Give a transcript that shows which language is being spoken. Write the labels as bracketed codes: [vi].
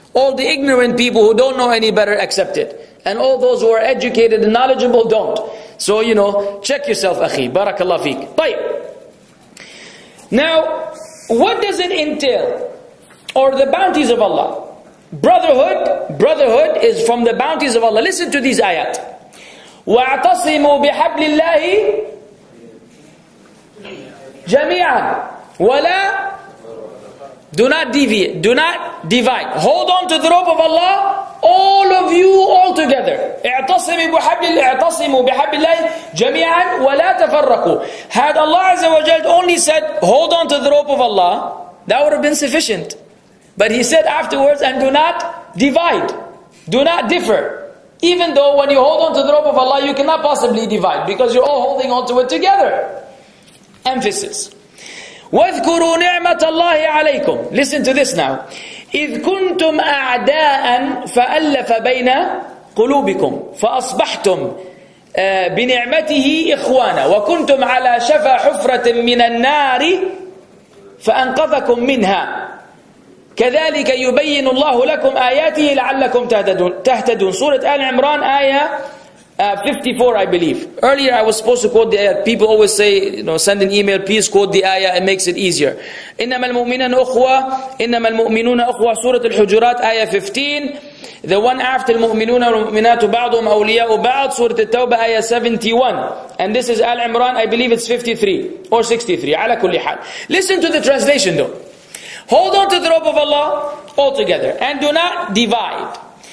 [en] All the ignorant people who don't know any better accept it. And all those who are educated and knowledgeable don't. So, you know, check yourself, akhi. Barakallah feek. طيب. Now, what does it entail? Or the bounties of Allah? Brotherhood is from the bounties of Allah. Listen to these ayat. [ar] وَاعْتَصِمُوا بِحَبْلِ اللَّهِ جَمِيعًا وَلَا [en] Do not deviate. Do not divide. Hold on to the rope of Allah. All of you all together. [ar] اعتصموا بحبل الله جميعا ولا تفرقوا. [en] Had Allah Azza wa Jalla only said, hold on to the rope of Allah, that would have been sufficient. But He said afterwards, and do not divide. Do not differ. Even though when you hold on to the rope of Allah, you cannot possibly divide because you're all holding on to it together. Emphasis. [ar] واذكروا نعمة الله عليكم. [en] Listen to this now. [ar] إذ كنتم أعداء فألف بين قلوبكم فأصبحتم بنعمته إخوانا وكنتم على شفا حفرة من النار فأنقذكم منها كذلك يبين الله لكم آياته لعلكم تهتدون. سورة آل عمران آية 54, [en] I believe. Earlier, I was supposed to quote the ayah. People always say, you know, send an email, please quote the ayah, it makes it easier. [ar] إِنَّمَا الْمُؤْمِنَنَ أُخْوَى إِنَّمَا الْمُؤْمِنُونَ أُخْوَى Surah Al-Hujurat, ayah 15. [en] The one after [ar] الْمُؤْمِنُونَ وَالْمُؤْمِنَاتُ بَعْضُهُمْ أَوْلِيَاءُ بَعْضُ Surah Al-Tawbah, ayah 71. [en] And this is Al-Imran, I believe it's 53 or 63. [ar] عَلَى كُلِّ حَال. [en] Listen to the translation though. Hold on to the rope of Allah altogether and do not divide.